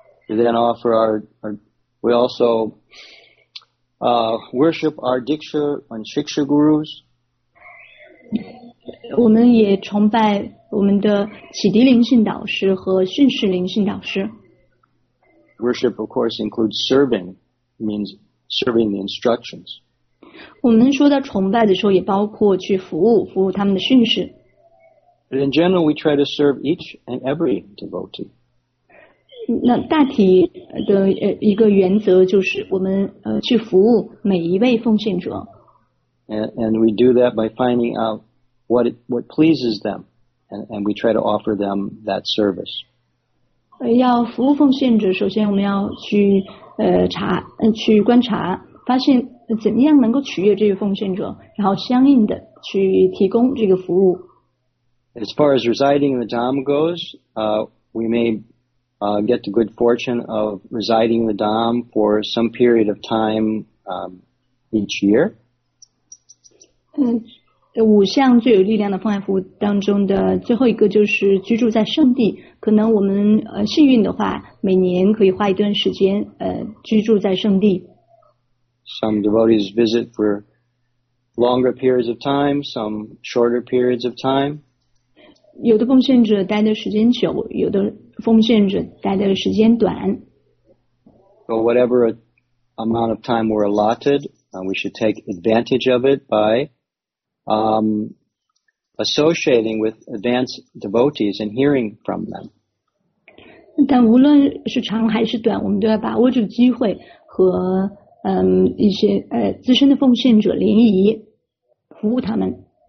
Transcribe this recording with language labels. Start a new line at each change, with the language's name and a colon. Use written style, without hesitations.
English: We then offer we also worship our Diksha and Shiksha gurus.
Chinese: 我们也崇拜我们的启迪灵性导师和训示灵性导师。
English: Worship, of course, includes serving, means serving the instructions.
Chinese: 我们说到崇拜的时候也包括去服务他们的训示。
English: But in general, we try to serve each and every devotee.
Chinese: 那大体的一个原则就是我们去服务每一位奉献者。
English: And we do that by finding out what pleases them, and we try to offer them that service.
Chinese: 要服务奉献者，首先我们要去去观察，发现怎样能够取悦这个奉献者，然后相应的去提供这个服务。
English: As far as residing in the Dhamma goes, we may get the good fortune of residing in the Dhamma for some period of time each year.
Chinese: 五项最有力量的奉献服务当中的最后一个就是居住在圣地，可能我们幸运的话，每年可以花一段时间居住在圣地。
English: Some devotees visit for longer periods of time, some shorter periods of time.
Chinese: 有的奉献者待的时间久，有的奉献者待的时间短。
English: So whatever amount of time we're allotted, we should take advantage of it by associating with advanced devotees and hearing from them.
Chinese: 但无论是长还是短，我们都要把握这个机会和一些资深的奉献者联谊，服务他们。